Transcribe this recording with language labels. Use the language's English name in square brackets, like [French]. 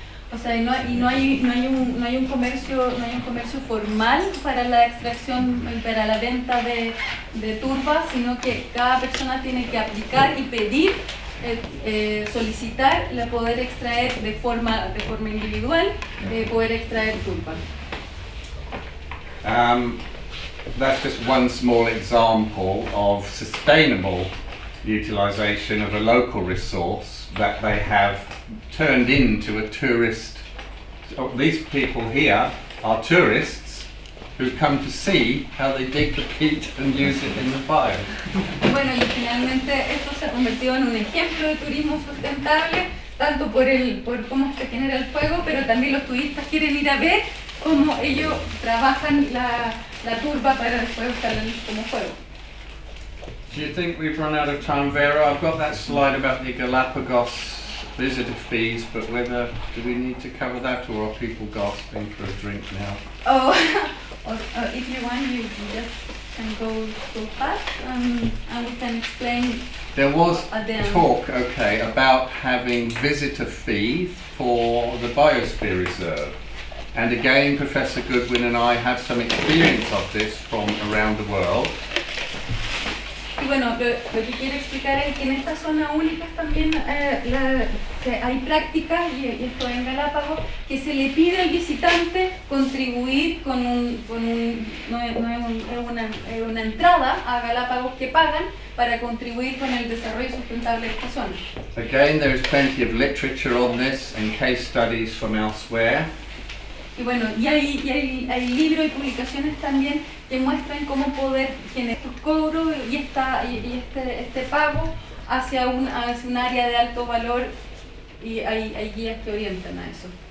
[Spanish] O sea, no hay un comercio formal para la extracción, para la venta de turba, sino que cada persona tiene que aplicar y pedir, solicitar la poder extraer de forma individual, poder extraer turba. [English] That's just one small example of sustainable utilization of a local resource that they have turned into a tourist. So these people here are tourists who come to see how they dig the peat and use it in the fire. [Spanish] Bueno, y finalmente esto se ha convertido en un ejemplo de turismo sustentable, tanto por cómo se genera el fuego, pero también los turistas quieren ir a ver cómo ellos trabajan la turba para después usarla como fuego. [English] Do you think we've run out of time, Vera? I've got that slide about the Galapagos visitor fees, but whether do we need to cover that, or are people gasping for a drink now? Oh, if you want, you just can go fast, and we can explain. There was talk, okay, about having visitor fee for the Biosphere Reserve. And again, Professor Goodwin and I have some experience of this from around the world. [Spanish] Y bueno, lo que quiero explicar es que en estas zonas únicas también hay prácticas, y esto en Galápagos, que se le pide al visitante contribuir con una entrada a Galápagos que pagan para contribuir con el desarrollo sustentable de esta zona. [English] Again, there is plenty of literature on this and case studies from elsewhere. [Spanish] Y bueno, y hay libros y publicaciones también que muestran cómo poder tener estos cobros y este pago hacia un área de alto valor, y hay guías que orientan a eso.